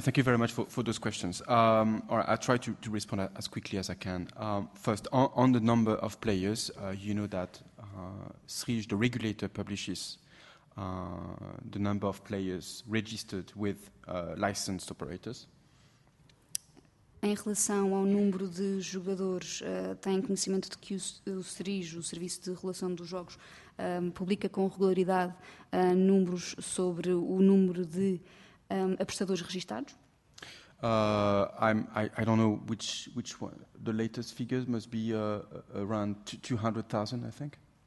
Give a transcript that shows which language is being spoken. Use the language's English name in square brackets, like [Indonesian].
[English] Thank you very much for those questions. All right, I'll try to respond as quickly as I can. First, on the number of players, you know that SRIJ, the regulator, publishes the number of players registered with licensed operators. [Portuguese] Em relação ao número de jogadores, tem conhecimento de que o SRIJ, o Serviço de Relação dos Jogos, publica com regularidade números sobre o número de apostadores registados? [English] I don't know which one. The latest figures must be around 200,000, I think.